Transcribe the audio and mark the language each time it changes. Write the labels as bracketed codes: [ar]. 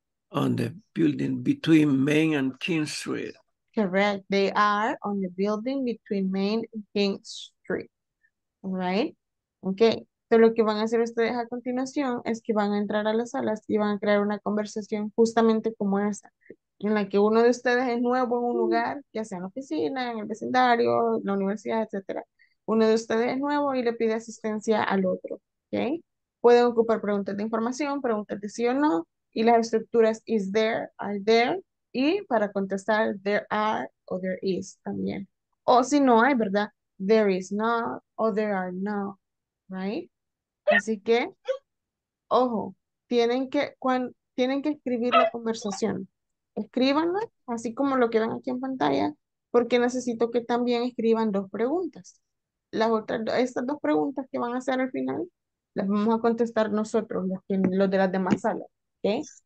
[en] on the building between Main and King Street. Correct. They are on the building between Main and King Street. Right? Okay. [es] So, lo que van a hacer ustedes a continuación es que van a entrar a las salas y van a crear una conversación justamente como esa, en la que uno de ustedes es nuevo en un lugar, ya sea en la oficina, en el vecindario, la universidad, etc. Uno de ustedes es nuevo y le pide asistencia al otro. Okay? Pueden ocupar preguntas de información, preguntas de sí o no, y las estructuras [en] is there, are there, [es] y para contestar, [en] there are [es] o [en] there is [es] también. O si no hay, ¿verdad? [en] There is not o there are not, right? [es] Así que, ojo, tienen que escribir la conversación. Escríbanla, así como lo que ven aquí en pantalla, porque necesito que también escriban dos preguntas. Estas dos preguntas que van a hacer al final, las vamos a contestar nosotros, los de las demás salas, ¿ok?